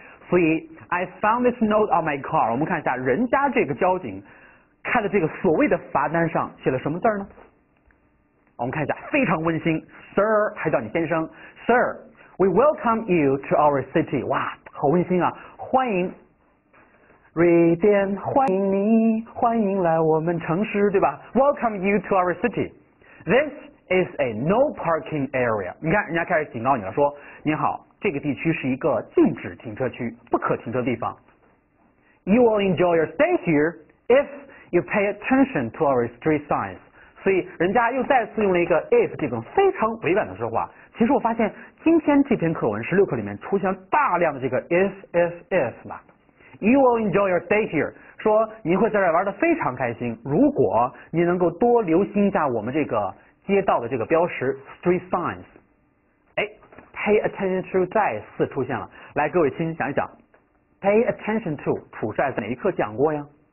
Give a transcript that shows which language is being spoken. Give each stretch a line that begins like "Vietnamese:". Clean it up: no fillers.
Chinese: 所以
English: I found this note on my car，
Chinese: 我们看一下人家这个交警开的这个所谓的罚单上写了什么字呢，我们看一下，非常温馨， Sir 还叫你先生，
English: Sir we welcome you to our city，
Chinese: 哇好温馨啊，欢迎瑞典，欢迎你，欢迎来我们城市，对吧？
English: Welcome you to our city. This is a no parking area.
Chinese: 你看人家开始警告你了，说你好，这个地区是一个禁止停车区，不可停车的地方。
English: You will enjoy your stay here if you pay attention to our street signs.
Chinese: 所以人家又再次用了一个 if 这种非常委婉的说话。其实我发现今天这篇课文16课里面出现大量的这个 if 吧。
English: You will enjoy your stay here，
Chinese: 说你会在这玩得非常开心，如果你能够多留心一下我们这个街道的这个标识 street signs， 哎
English: pay attention to
Chinese: 再次出现了，来各位亲想一想 pay attention to 普帅在哪一课讲过呀？